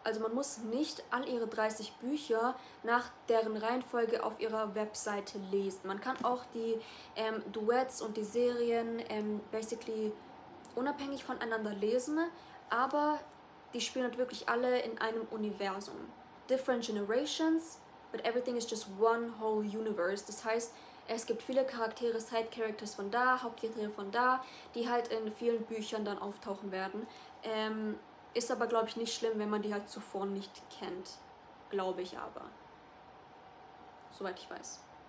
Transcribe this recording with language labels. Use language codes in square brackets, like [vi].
[de] Also man muss nicht all ihre 30 Bücher nach deren Reihenfolge auf ihrer Webseite lesen. Man kann auch die Duets und die Serien basically unabhängig voneinander lesen, aber die spielen halt wirklich alle in einem Universum. [en] Different generations, but everything is just one whole universe. [de] Das heißt, es gibt viele Charaktere, Side-Characters von da, Hauptcharaktere von da, die halt in vielen Büchern dann auftauchen werden. Ist aber, glaube ich, nicht schlimm, wenn man die halt zuvor nicht kennt. Glaube ich aber. Soweit ich weiß.